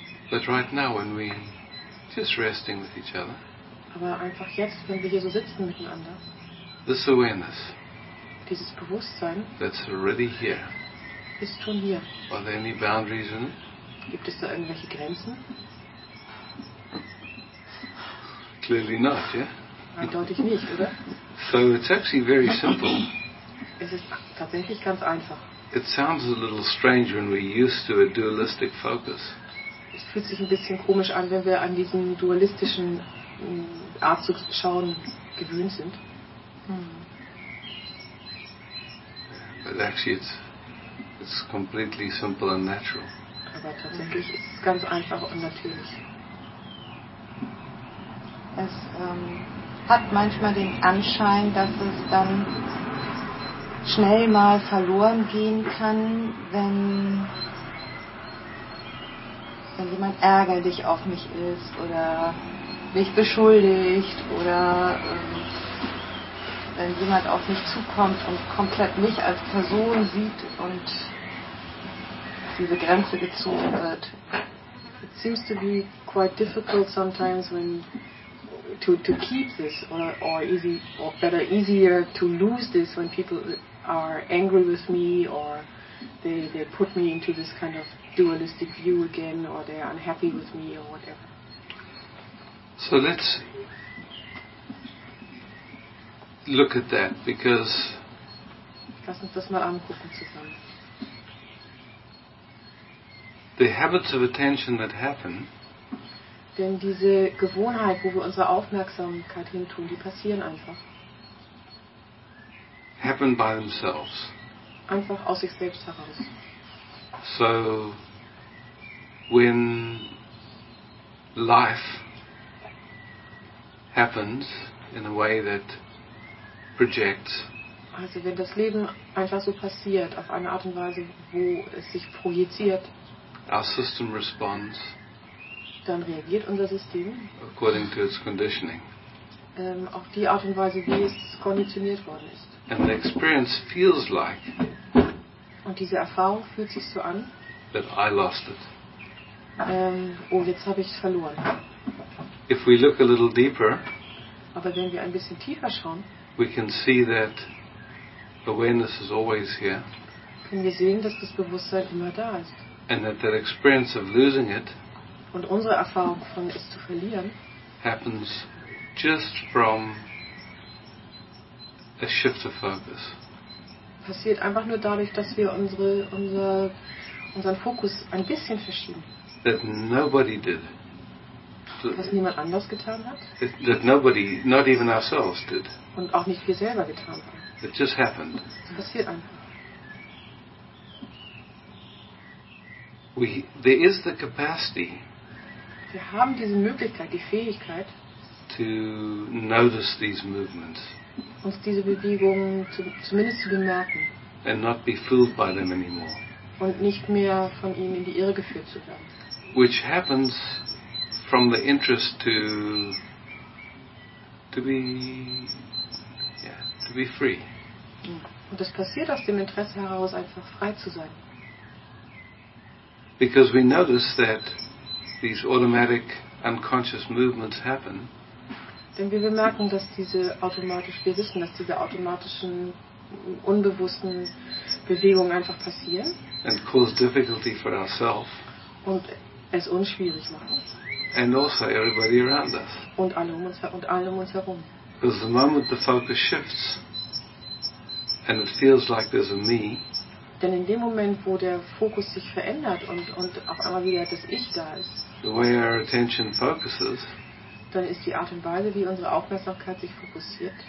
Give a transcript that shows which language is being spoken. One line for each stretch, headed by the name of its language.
English: But right now, when we just resting with each other.
German: Aber einfach jetzt, wenn wir hier so sitzen miteinander.
English: This awareness.
German: Dieses Bewusstsein.
English: That's already here.
German: Ist schon hier.
English: Are there any boundaries in it?
German: Gibt es da irgendwelche Grenzen?
English: Clearly not, yeah.
German: Eindeutig nicht, oder?
English: So it's actually very simple.
German: Es ist tatsächlich ganz einfach.
English: It sounds a little strange when we're used to a dualistic focus.
German: Es fühlt sich ein bisschen komisch an, wenn wir an diesen dualistischen Art zu schauen gewöhnt sind.
English: But actually it's completely simple and natural.
German: Aber tatsächlich ist es ganz einfach und natürlich. Es hat manchmal den Anschein, dass es dann schnell mal verloren gehen kann, wenn jemand ärgerlich auf mich ist oder mich beschuldigt oder wenn jemand auf mich zukommt und komplett mich als Person sieht und diese Grenze gezogen wird.
English: It seems to be quite difficult sometimes when to keep this or easier to lose this when people are angry with me, or they put me into this kind of dualistic view again, or they're unhappy with me, or whatever. So let's look at that, because...
German: Lass uns das mal angucken zusammen.
English: The habits of attention that happen...
German: Denn diese Gewohnheit, wo wir unsere Aufmerksamkeit hintun, die passieren einfach.
English: Happen by themselves.
German: Einfach aus sich selbst heraus.
English: So, when life happens in a way that projects.
German: Also wenn das Leben einfach so passiert, auf eine Art und Weise, wo es sich projiziert.
English: Our system responds.
German: Dann reagiert unser System.
English: According to its conditioning.
German: Auf die Art und Weise, wie es konditioniert worden ist.
English: And the experience feels like.
German: Und diese Erfahrung fühlt sich so an.
English: That I lost it.
German: Jetzt habe ich es verloren.
English: If we look a little deeper.
German: Aber wenn wir ein bisschen tiefer schauen.
English: We can see that awareness is always here.
German: Können wir sehen, dass das Bewusstsein immer da ist.
English: And that the experience of losing it.
German: Und unsere Erfahrung von es zu verlieren.
English: Happens just from a shift of focus.
German: Passiert einfach nur dadurch, dass wir unseren Fokus ein bisschen verschieben.
English: That nobody did.
German: Was niemand anders getan hat.
English: That nobody, not even ourselves, did.
German: Und auch nicht wir selber getan haben.
English: It just happened.
German: Das passiert einfach.
English: There is the capacity.
German: Wir haben diese Möglichkeit, die Fähigkeit.
English: To notice these movements.
German: Uns diese Bewegungen zumindest zu bemerken.
English: And not be fooled by them anymore.
German: Und nicht mehr von ihnen in die Irre geführt zu werden.
English: Which happens from the interest to be free.
German: Und das passiert aus dem Interesse heraus, einfach frei zu sein.
English: Because we notice that these automatic unconscious movements happen.
German: Denn wir bemerken, dass diese automatischen unbewussten Bewegungen einfach passieren.
English: And cause difficulty for ourselves.
German: Und es unschwierig machen.
English: And also everybody around us.
German: Und alle um uns herum.
English: Because the moment the focus shifts and it feels like there's a me.
German: Denn in dem Moment, wo der Fokus sich verändert und auf einmal wieder das Ich da ist.
English: The way our attention focuses.
German: Dann ist die Art und Weise, wie unsere Aufmerksamkeit sich fokussiert,